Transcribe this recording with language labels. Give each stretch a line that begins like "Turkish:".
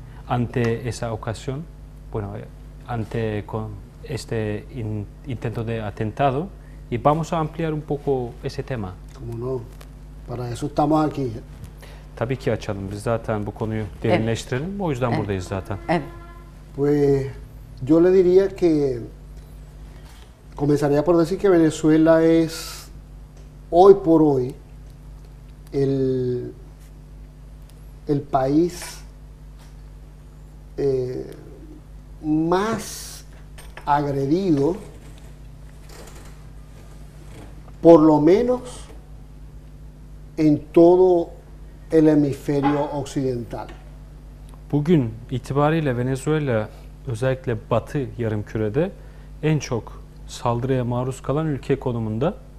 Spanish: ante esa ocasión, bueno, ante con este intento de atentado, y vamos a ampliar un poco ese tema. ¿Cómo no? Para eso estamos aquí.
Turkish: Tabii ki açalım. Biz zaten bu konuyu derinleştirelim. Evet. O yüzden buradayız zaten.
Spanish: Pues yo le diría que comenzaría por decir que Venezuela es hoy por hoy el país más agredido, por lo menos en todo el hemisferio occidental.
Turkish: Bugün itibariyle Venezuela özellikle Batı yarımkürede en çok saldırıya maruz kalan ülke konumunda.